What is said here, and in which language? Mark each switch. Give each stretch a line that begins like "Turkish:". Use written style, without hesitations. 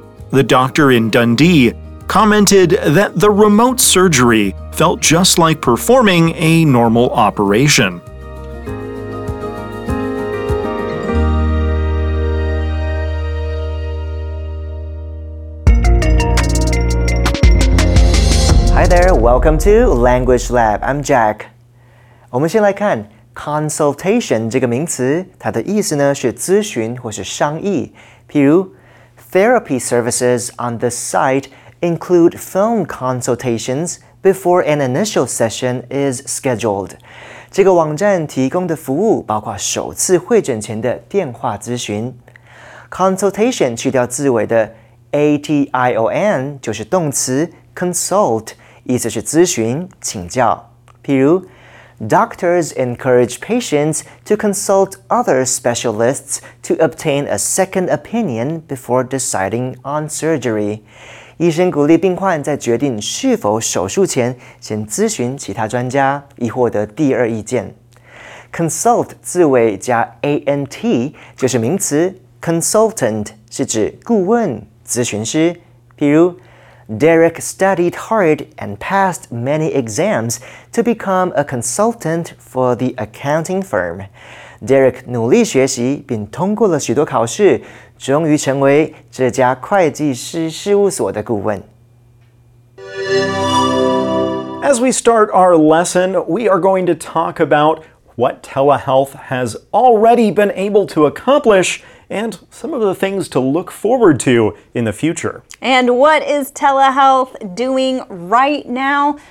English: The doctor in Dundee commented that the remote surgery felt just like performing a normal operation. Hi there, welcome to Language Lab, I'm Jack.
Chinese: 我们先来看 consultation 这个名词，它的意思呢是咨询或是商议。
English: 譬如 therapy services on the site include phone consultations before an initial session is scheduled.
Chinese: 这个网站提供的服务包括首次会诊前的电话咨询。 consultation 去掉字尾的 ation 就是动词 consult,意思是咨询、请教。
English: 譬如 ,Doctors encourage patients to consult other specialists to obtain a second opinion before deciding on surgery.
Chinese: 医生鼓励病患在决定是否手术前先咨询其他专家以获得第二意见。 Consult 字尾加 ant 就是名词 ,consultant 是指顾问、咨询师。
English: 譬如Derek studied hard and passed many exams to become a consultant for the accounting firm.
Chinese: Derek 努力学习并通过了许多考试，终于成为这家会计师事务所的顾问。
English: As we start our lesson, we are going to talk about what telehealth has already been able to accomplish and some of the things to look forward to in the future. And what is telehealth doing right now?